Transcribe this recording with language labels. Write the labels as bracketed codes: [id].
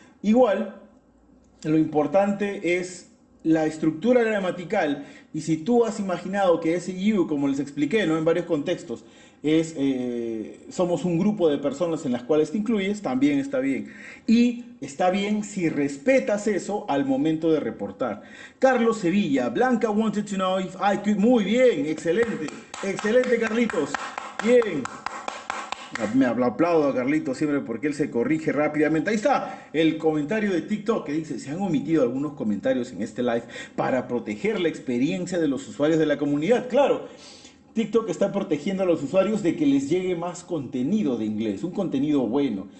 [es] Igual, lo importante es la estructura gramatical, y si tú has imaginado que ese you, como les expliqué, ¿no? En varios contextos, es somos un grupo de personas en las cuales te incluyes, también está bien. Y está bien si respetas eso al momento de reportar. [en] Carlos Sevilla, Blanca wanted to know if I could. [es] Muy bien, excelente, excelente, Carlitos. Bien. Me aplaudo a Carlito siempre porque él se corrige rápidamente. Ahí está el comentario de TikTok que dice: se han omitido algunos comentarios en este live para proteger la experiencia de los usuarios de la comunidad. Claro, TikTok está protegiendo a los usuarios de que les llegue más contenido de inglés, un contenido bueno.